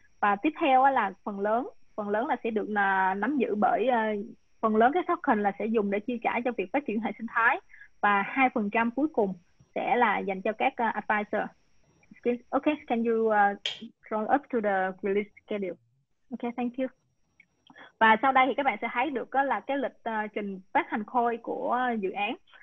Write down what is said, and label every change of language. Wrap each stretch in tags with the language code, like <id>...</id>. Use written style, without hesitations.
<vi>Và tiếp theo là phần lớn là sẽ được nắm giữ bởi phần lớn các token là sẽ dùng để chi trả cho việc phát triển hệ sinh thái, và 2% cuối cùng sẽ là dành cho các advisor.</vi> <en>Okay, can you scroll up to the release schedule? Okay, thank you.</en> <vi>Và sau đây thì các bạn sẽ thấy được là cái lịch trình phát hành coin của dự án.</vi>